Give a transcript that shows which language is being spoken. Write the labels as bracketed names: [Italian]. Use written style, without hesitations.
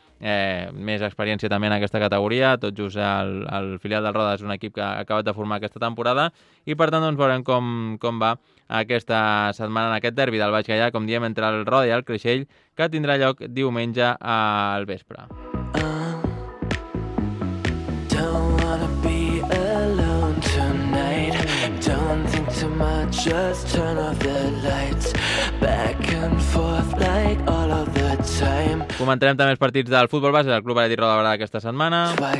[Catalan] Més experiència també en aquesta categoria, tot just el filial del Roda és un equip que ha acabat de formar aquesta temporada i per tant doncs veurem com va aquesta setmana en aquest derbi del Baix Gaià, com diem, entre el Roda i el Creixell, que tindrà lloc diumenge al vespre. [English] Don't wanna be alone tonight. Don't think too much, just turn off the lights. Back and forth like all of the time. [Catalan] Comentarem també els partits del futbol base del Club Atleti Roda Barà aquesta setmana.